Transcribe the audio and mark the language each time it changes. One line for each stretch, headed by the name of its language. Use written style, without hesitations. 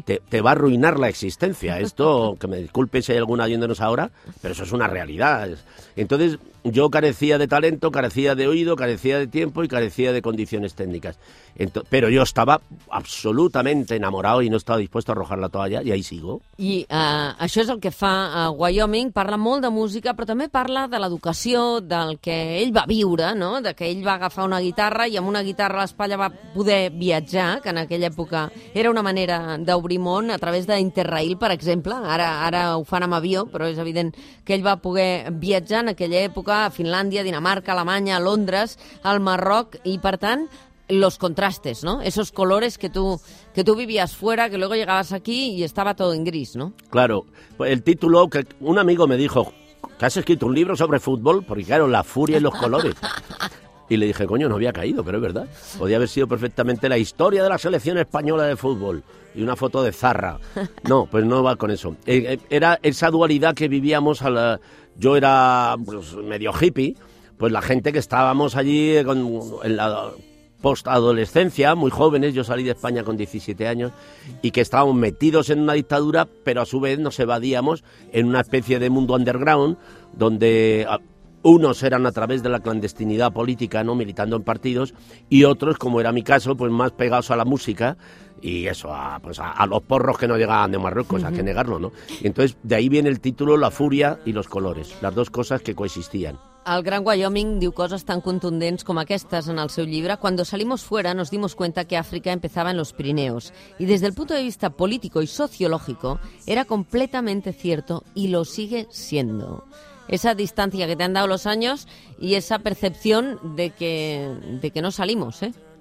Spanish: Te va a arruinar la existencia. Esto, que me disculpe si hay alguna oyéndonos ahora, pero eso es una realidad. Entonces, yo carecía de talento, carecía de oído, carecía de tiempo y carecía de condiciones técnicas. Pero yo estaba absolutamente enamorado y no estaba dispuesto a arrojar la toalla, y ahí sigo.
Catalan: I això és el que fa Wyoming. Parla molt de música, però també parla de l'educació, del que ell va viure, no? De que ell va agafar una guitarra i amb una guitarra a l'espatlla va poder viatjar, que en aquella època era una manera d'obrir món a través d'Interrail, per exemple. Ara ho fan amb avió, però és evident que ell va poder viatjar en aquella època a Finlàndia, Dinamarca, Alemanya, Londres, al Marroc, i per tant
Spanish: los contrastes, ¿no? Esos colores que tú vivías fuera, que luego llegabas aquí y estaba todo en gris, ¿no? Claro, el título, que un amigo me dijo, ¿que has escrito un libro sobre fútbol? Porque claro, la furia y los colores. Y le dije, coño, no había caído, pero es verdad. Podía haber sido perfectamente la historia de la selección española de fútbol y una foto de Zarra. No, pues no va con eso. Era esa dualidad que vivíamos a la... Yo era pues, medio hippie, pues la gente que estábamos allí en la postadolescencia, muy jóvenes, yo salí de España con 17 años, y que estábamos metidos en una dictadura, pero a su vez nos evadíamos en una especie de mundo underground, donde unos eran a través de la clandestinidad política, ¿no?, militando en partidos, y otros, como era mi caso, pues más pegados a la música, y eso, a los porros que no llegaban de Marruecos, uh-huh. Hay que negarlo, ¿no? Y entonces, de ahí viene el título, la furia y los colores, las dos cosas que coexistían.
Catalan: El gran Wyoming diu coses tan contundents com aquestes en el seu llibre.
Spanish: Cuando salimos fuera nos dimos cuenta que África empezaba en los Pirineos y desde el punto de vista político y sociológico era completamente cierto y lo sigue siendo. Esa distancia que te han dado los años y esa percepción de que no salimos, ¿eh?